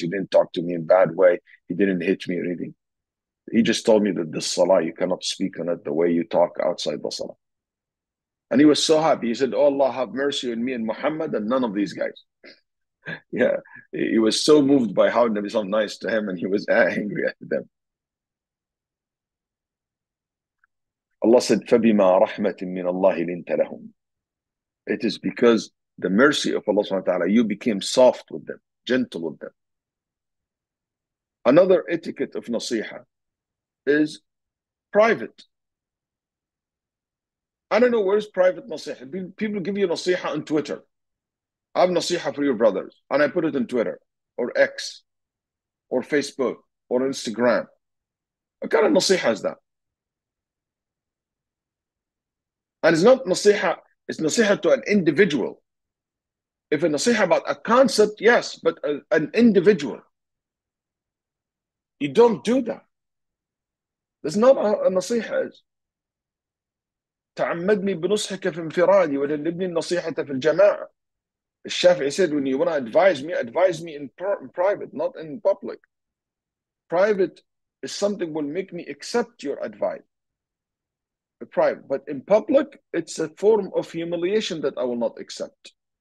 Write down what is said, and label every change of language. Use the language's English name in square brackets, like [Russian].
[English] He didn't talk to me in a bad way. He didn't hit me or anything. He just told me that the salah, you cannot speak on it the way you talk outside the salah. And he was so happy. He said, oh Allah, have mercy on me and Muhammad and none of these guys. Yeah, he was so moved by how Nabi sound nice to him, and he was angry at them. Allah said, [Arabic] "فَبِمَا رَحْمَةٍ مِنَ اللَّهِ لِنْتَ لَهُمْ." [English] It is because the mercy of Allah subhanahu wa ta'ala, you became soft with them, gentle with them. Another etiquette of nasiha is private. I don't know where is private nasiha. People give you nasiha on Twitter. I have nasiha for your brothers, and I put it on Twitter or X or Facebook or Instagram. What kind of nasiha is that? And it's not nasiha, it's nasiha to an individual. If a nasiha about a concept, yes, but an individual. You don't do that. That's not how a nasiha is. [Arabic] تعمدني بنصحك في انفرادي وجنبني النصيحة في الجماعة. [English] الشافعي said, when you want to advise me in private, not in public. Private is something will make me accept your advice. Private, but in public, it's a form of humiliation that I will not accept.